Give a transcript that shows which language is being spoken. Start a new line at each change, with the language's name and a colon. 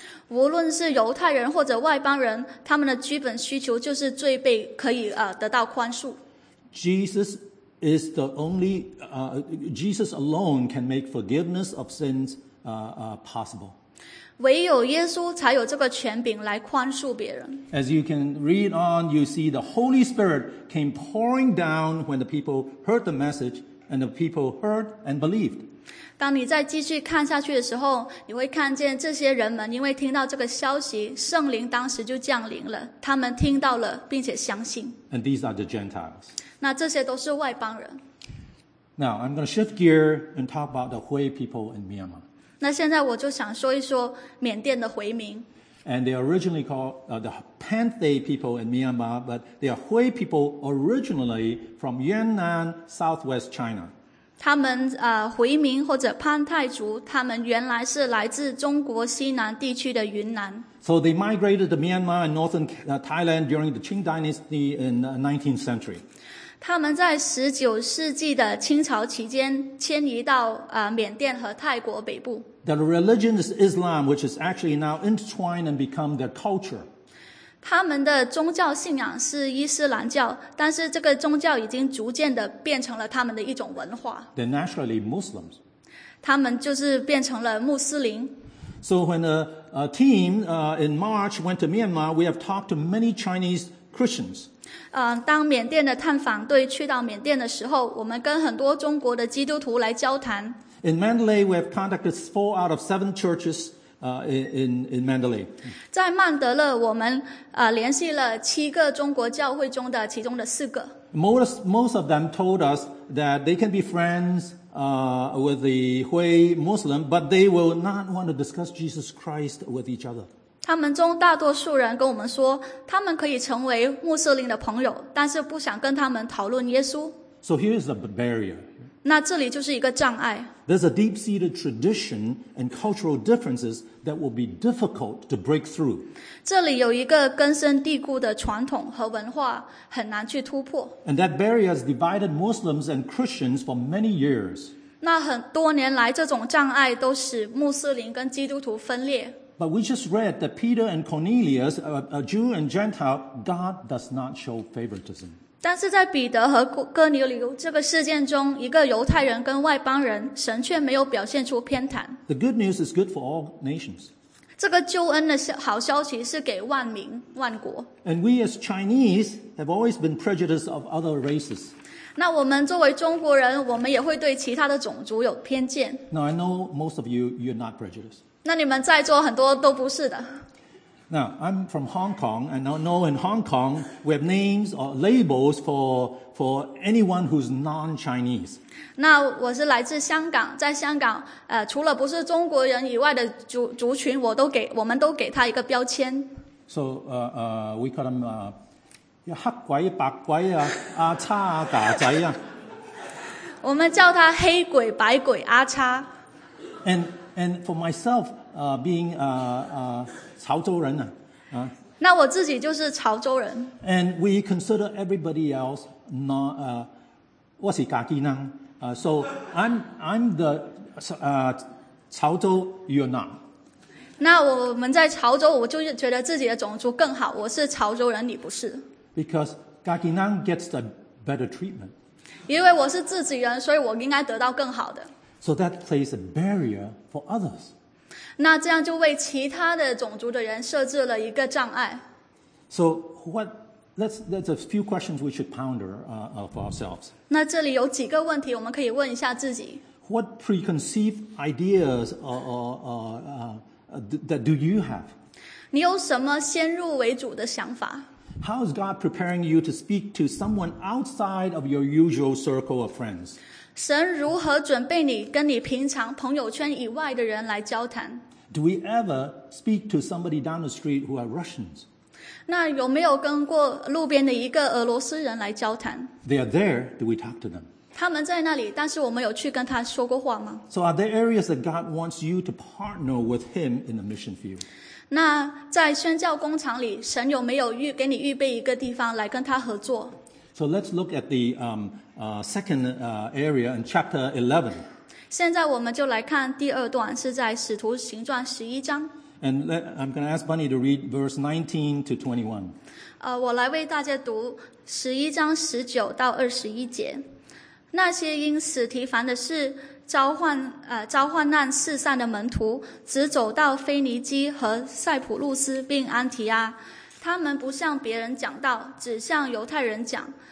Chinese: 无论是犹太人或者外邦人，他们的基本需求就是罪被可以得到宽恕。
English: Jesus alone can make forgiveness of sins possible.
Chinese: 唯有耶稣才有这个权柄来宽恕别人。
English: As you can read on, you see the Holy Spirit came pouring down when the people heard the message, and the people heard and believed.
Chinese: 当你再继续看下去的时候，你会看见这些人们因为听到这个消息，圣灵当时就降临了，他们听到了并且相信。
English: And these are the Gentiles.
Chinese: 那这些都是外邦人。
English: Now, I'm going to shift gear and talk about the Hui people in Myanmar.
Chinese: 那现在我就想说一说缅甸的回民。
English: And they are originally called the Panthay people in Myanmar, but they are Hui people originally from Yunnan, southwest China.
Chinese: 他们回民或者潘泰族，他们原来是来自中国西南地区的云南。
English: So they migrated to Myanmar and northern Thailand during the Qing Dynasty in the 19th century.
Chinese: 他们在19世纪的清朝期间迁移到缅甸和泰国北部。
English: Their religion is Islam, which is actually now intertwined and become their culture.
Chinese: 他们的宗教信仰是伊斯兰教，但是这个宗教已经逐渐的变成了他们的一种文化。
English: They're naturally Muslims.
Chinese: 他们就是变成了穆斯林。
English: So when a team in March went to Myanmar, we have talked to many Chinese Christians.
Chinese: 当缅甸的探访队去到缅甸的时候，我们跟很多中国的基督徒来交谈。
English: In Mandalay, we have contacted 4 out of 7 churches in Mandalay.
Chinese: 在曼德勒，我们联系了7个中国教会中的其中的4个。
English: Most of them told us that they can be friends with the Hui Muslim, but they will not want to discuss Jesus Christ with each other.
Chinese: 他们中大多数人跟我们说，他们可以成为穆斯林的朋友，但是不想跟他们讨论耶稣。
English: So here is the barrier.
Chinese: 那这里就是一个障碍。
English: There's a deep-seated tradition and cultural differences that will be difficult to break through.
Chinese: 这里有一个根深蒂固的传统和文化，很难去突破。
English: And that barrier has divided Muslims and Christians for many years.
Chinese: 那很多年来，这种障碍都使穆斯林跟基督徒分裂。
English: But we just read that Peter and Cornelius, a Jew and Gentile, God does not show favoritism.
Chinese: 但是在彼得和哥尼流这个事件中，一个犹太人跟外邦人，神却没有表现出偏袒。
English: The good news is good for all nations.
Chinese: 这个救恩的好消息是给万民万国。
English: And we as Chinese have always been prejudiced of other races.
Chinese: 那我们作为中国人，我们也会对其他的种族有偏见。
English: Now I know most of you, you're not prejudiced.
Chinese: 那你们在座很多都不是的。
English: Now, I'm from Hong Kong, and I know in Hong Kong, we have names or labels for anyone who's non-Chinese.
Chinese: 那我是来自香港，在香港，除了不是中国人以外的族群，我们都给他一个标签。
English: So, we call them,
Chinese: 黑鬼、白鬼啊，阿叉啊，嘎仔啊。我们叫他黑鬼、白鬼、阿叉。
English: And for myself, being,
Chinese: 潮州人啊，那我自己就是潮州人。
English: And we consider everybody else not,
Chinese: 我是家己人。
English: So I'm the, 潮州 you're not.
Chinese: 那我们在潮州，我就觉得自己的种族更好。我是潮州人，你不是。
English: Because 家己人 gets the better treatment.
Chinese: 因为我是自己人，所以我应该得到更好的。
English: So that plays a barrier for others.
Chinese: 那这样就为其他的种族的人设置了一个障碍。
English: So what? That's a few questions we should ponder of ourselves.
Chinese: 那这里有几个问题我们可以问一下自己。
English: What preconceived ideas that do you have?
Chinese: 你有什么先入为主的想法？
English: How is God preparing you to speak to someone outside of your usual circle of friends?
Chinese: 神如何准备你跟你平常朋友圈以外的人来交谈
English: ？Do we ever speak to somebody down the street who are Russians？
Chinese: 那有没有跟过路边的一个俄罗斯人来交谈
English: ？They are there. Do we talk to them？
Chinese: 他们在那里，但是我们有去跟他说过话吗
English: ？So are there areas that God wants you to partner with Him in the mission field？
Chinese: 那在宣教工厂里，神有没有给你预备一个地方来跟他合作
English: ？So let's look at the second area in chapter 11.
Chinese: 现在我们就来看第二段，是在《使徒行传》十一章。
English: And I'm going to ask Bunny to read verse 19 to 21.
Chinese: 我来为大家读十一章十九到二十一节。那些因使提凡的事召唤难四散的门徒，只走到腓尼基和塞浦路斯并安提阿，他们不向别人讲道，只向犹太人讲。